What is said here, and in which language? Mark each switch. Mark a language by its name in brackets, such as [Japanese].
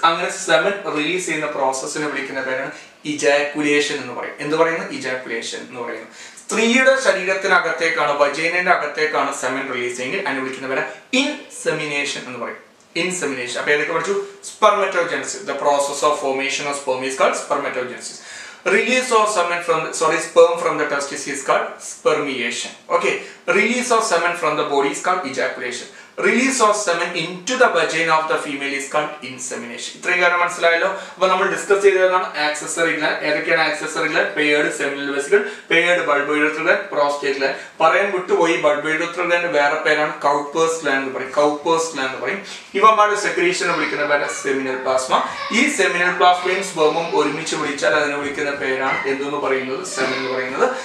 [Malayalam] അങ്ങനെ semen release ചെയ്യുന്ന പ്രോസസ്സിനെ വിളിക്കുന്ന പേരാണ് ഇജാക്കുലേഷൻ എന്ന് പറയും. എന്ത് പറയുന്നു? ഇജാക്കുലേഷൻ എന്ന് പറയുന്നു. സ്ത്രീയുടെ ശരീരത്തിനകത്തേക്കാണ്, വജൈനന്റെ അകത്തേക്കാണ് സെമൻ റിലീസ് ചെയ്യുന്നത്, അതിനെ വിളിക്കുന്ന പേര് ഇൻസെമിനേഷൻ എന്ന് പറയും. ഇൻസെമിനേഷൻ. അപ്പൊ ഏതൊക്കെ പഠിച്ചു? [English] Spermatogenesis, the process of formation of sperm is called spermatogenesis. Release of semen from the, sorry, sperm from the testis is called spermiation. Okay, release of semen from the body is called ejaculation. Release of semen into the vagina of the female is called insemination. [Malayalam] ഇത്രയും കാര്യം മനസ്സിലായല്ലോ. അപ്പൊ നമ്മൾ discuss ചെയ്തതാണ് accessory gland. ഏതൊക്കെയാണ് accessory gland? Paired seminal vesicle, paired ബൾബോയിഡ്രൽ gland, prostate gland. പറയാൻ വിട്ടുപോയി ബൾബോയിഡ്രൽ gland വേറെ പേരാണ് കൗപ്പേഴ്സ് ഗ്ലാൻഡ് എന്ന് പറയും. കൗപ്പേഴ്സ് ഗ്ലാൻഡ് എന്ന് പറയും. ഇവന്മാരുടെ സെക്രീഷനെ വിളിക്കുന്ന പേര് സെമിനൽ പ്ലാസ്മ. ഈ സെമിനൽ പ്ലാസ്മയും സ്പെർമും ഒരുമിച്ച് വിളിച്ചാൽ അതിനെ വിളിക്കുന്ന പേരാണ് എന്തെന്ന് പറയുന്നത്? സെമിൻ എന്ന് പറയുന്നത്.